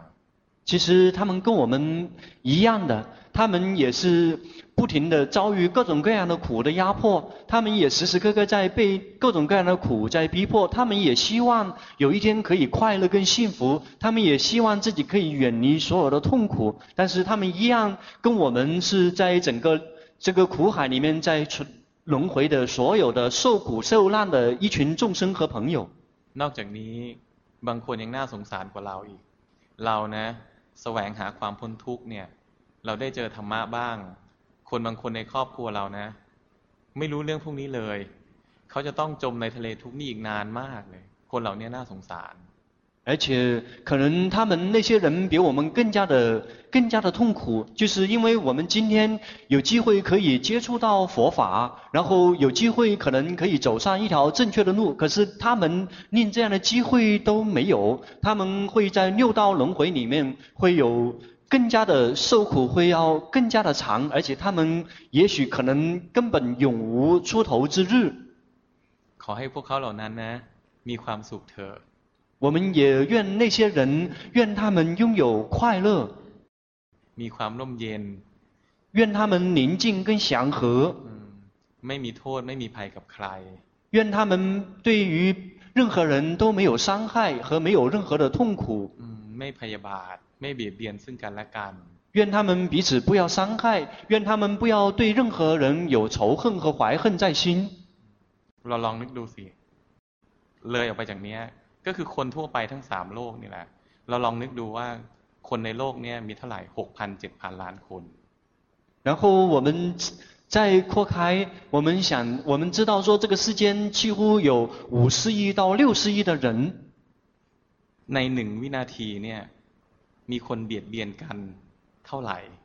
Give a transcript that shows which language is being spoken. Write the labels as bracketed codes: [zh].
[zh] ๆ其实他们跟我们一样的他们也是不停地遭遇各种各样的苦的压迫他们也时时刻刻在被各种各样的苦在逼迫他们也希望有一天可以快乐跟幸福他们也希望自己可以远离所有的痛苦但是他们一样跟我们是在整个这个苦海里面在轮回的所有的受苦受难的一群众生和朋友 [th] นอกจากนี้บางคนยังน่าสงสารกว่าเราอีกเรานะแสวงหาความพ้นทุกข์เนี่ยเราได้เจอธรรมะบ้างคนบางคนในครอบครัวเรานะไม่รู้เรื่องพวกนี้เลยเขาจะต้องจมในทะเลทุกข์นี้อีกนานมากเลยคนเหล่านี้น่าสงสาร [zh] 而且可能他们那些人比我们更加的痛苦就是因为我们今天有机会可以接触到佛法然后有机会可能可以走上一条正确的路可是他们连这样的机会都没有他们会在六道轮回里面会有更加的受苦会要更加的长而且他们也许可能根本永无出头之日 [th] ขอให้พวกเขาเหล่านั้นนะมีความสุขเถอะ [zh] 我们也愿那些人愿他们拥有快乐 [th] มีความร่มเย็น [zh] 愿他们宁静跟祥和 [th] ไม่มีโทษไม่มีภัยกับใคร [zh] 愿他们对于任何人都没有伤害和没有任何的痛苦 [th] ไม่พยาบาทไม่เบียดเบียนซึ่งกันและกัน [zh] 愿他们彼此不要伤害愿他们不要对任何人有仇恨和怀恨在心 [th] เราลองนึกดูสิเลยออกไปจากนี้ก็คือคนทั่วไปทั้ง3โลกนี่แหละเราลองนึกดูว่าคนในโลกนี้มีเท่าไหร่ 6,000 7,000 ล้านคน [zh] 然后我们再扩开我们想我们知道说这个世间几乎有50亿到60亿的人 [th] ใน1วินาทีเนี่ยมีคนเบียดเบียนกันเท่าไหร่